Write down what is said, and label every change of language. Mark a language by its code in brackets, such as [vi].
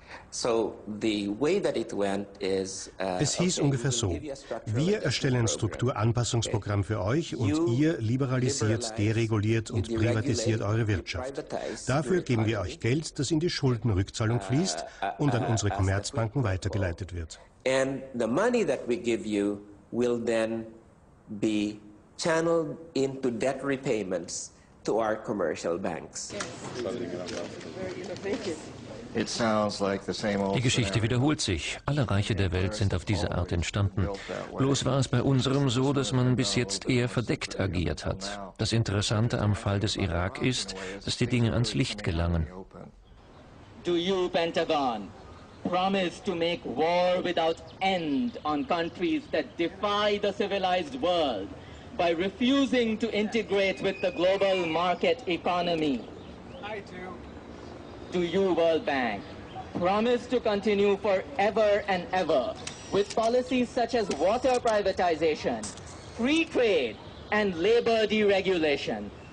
[de] Es hieß ungefähr so: Wir erstellen ein Strukturanpassungsprogramm für euch und ihr liberalisiert, dereguliert und privatisiert eure Wirtschaft. Dafür geben wir euch Geld, das in die Schuldenrückzahlung fließt und an unsere Commerzbanken weitergeleitet wird. [en] And the money that we give you will then be channeled into debt repayments to our commercial banks. [de] Die Geschichte wiederholt sich. Alle Reiche der Welt sind auf diese Art entstanden. Bloß war es bei unserem so, dass man bis jetzt eher verdeckt agiert hat. Das Interessante am Fall des Irak ist, dass die Dinge ans Licht gelangen. [en] Do you, Pentagon, promise to make war without end on countries that defy the civilized world by refusing to integrate with the global market economy? I do. Do you, World Bank, promise to continue forever and ever with policies such as water privatization, free trade, and labor deregulation?